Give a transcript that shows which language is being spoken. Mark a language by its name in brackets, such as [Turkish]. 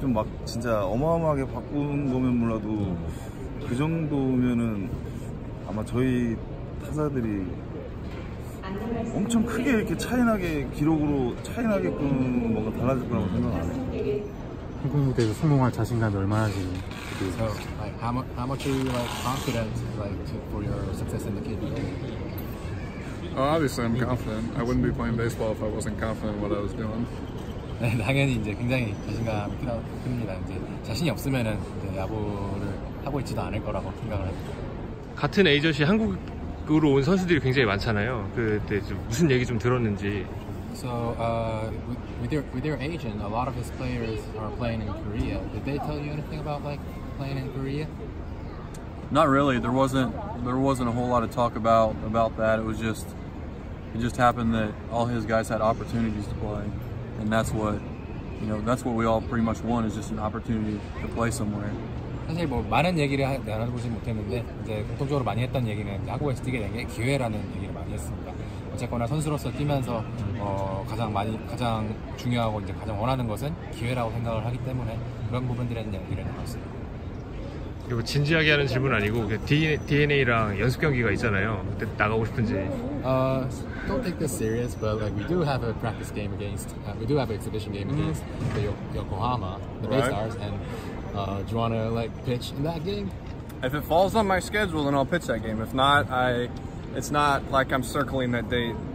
[Korean] 좀 막 진짜 어마어마하게 바꾼 거면 몰라도 그 정도면은 아마 저희 타자들이 엄청 크게 이렇게 차이나게 기록으로 차이나게끔 뭔가 달라질 거라고 생각 안 해요. 한국 무대에서 성공할 자신감이 얼마나 되는지. [English] So, like, how much are you like confident, like, for your success in the KBO? Oh, obviously, I'm confident. I wouldn't be playing baseball if I wasn't confident in what I was doing. [Korean] 네, 당연히 이제 굉장히 자신감 큽니다. 이제 자신이 없으면은 이제 야구를 하고 있지도 않을 거라고 생각을 합니다. 같은 에이전시 한국으로 온 선수들이 굉장히 많잖아요. 그때 좀 무슨 얘기 좀 들었는지. [English] So with their agent, a lot of his players are playing in Korea. Did they tell you anything about like playing in Korea? Not really. There wasn't a whole lot of talk about that. It just happened that all his guys had opportunities to play, and that's what you know. That's what we all pretty much want is just an opportunity to play somewhere. [Korean] 사실 뭐 많은 얘기를 나눠보진 못했는데 이제 공통적으로 많이 했던 얘기는 야구에서 뛰게 된 게 기회라는 얘기를 많이 했습니다. 어쨌거나 선수로서 뛰면서 가장 중요하고 이제 가장 원하는 것은 기회라고 생각을 하기 때문에 그런 부분들에 대한 얘기를 나눴습니다. 그리고 진지하게 하는 질문 아니고 DNA랑 연습 경기가 있잖아요. 그때 나가고 싶은지. [English] Don't take this serious, but like we do have a practice game against, we do have an exhibition game against the Yokohama, the Bay Stars, and do you want to like pitch in that game? If it falls on my schedule, then I'll pitch that game. If not, it's not like I'm circling that date.